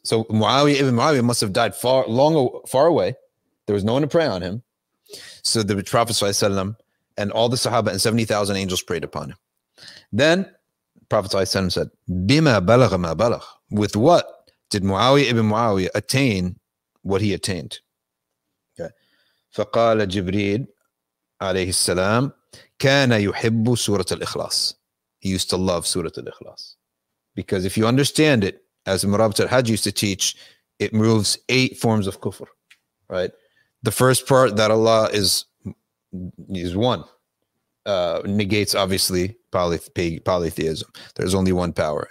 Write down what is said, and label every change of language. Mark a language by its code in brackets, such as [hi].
[en] So Muawiyah ibn Muawiyah must have died far, long, far away. There was no one to pray on him. So the Prophet ﷺ and all the Sahaba and 70,000 angels prayed upon him. Then Prophet ﷺ said, Bima balagha ma balagh. With what did Muawiyah ibn Muawiyah attain what he attained? Okay. [ar] فَقَالَ جِبْرِيلُ عَلَيْهِ السَّلَامُ كان يحب سورة الإخلاص. [en] He used to love سورة الإخلاص. Because if you understand it, as Murabit al-Hajj used to teach, it moves 8 forms of kufr. Right? The first part that Allah is one, negates obviously polytheism. There's only one power.